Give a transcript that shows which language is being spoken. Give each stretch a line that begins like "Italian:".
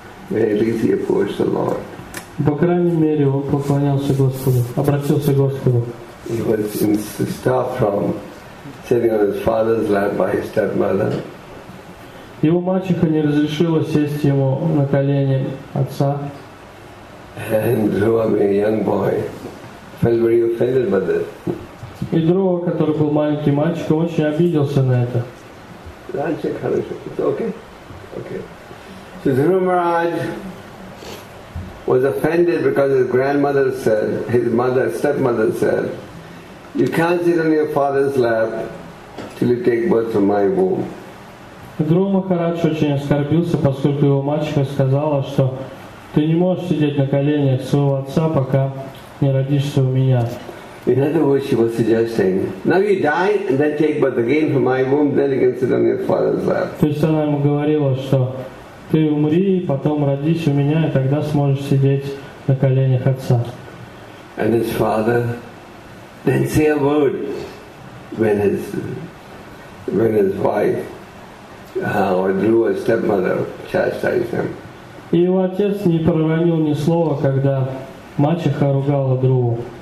English: At least he approached the Lord.
Russian: По крайней мере, он поклонялся Господу, обратился к Господу.
English: He was stopped from sitting on his father's lap by his stepmother.
Russian: Его мачеха не разрешила сесть ему на колени отца.
English: And Dhruva, being a young boy, felt very offended by this.
Russian: И Дрова, который был маленький мальчик, очень обиделся на это.
English: So Dhruva Maharaj was offended because his grandmother said, his mother, stepmother said, you can't sit on your father's lap till you take birth from my womb.
Russian: Дрова Махарадж очень оскорбился, поскольку его мачеха сказала, что ты не можешь сидеть на коленях своего отца, пока не родишься у меня.
English: In other words, she was suggesting, now you die and then take birth again from my womb, then you can sit on your father's lap.
Russian: То есть она ему говорила, что ты умри, потом родись у меня, и тогда сможешь сидеть на коленях отца.
English: And his father didn't say a word when his wife or Dhruva's stepmother chastised him.
Russian: И его отец не проронил ни слова, когда мачеха ругала Дхруву.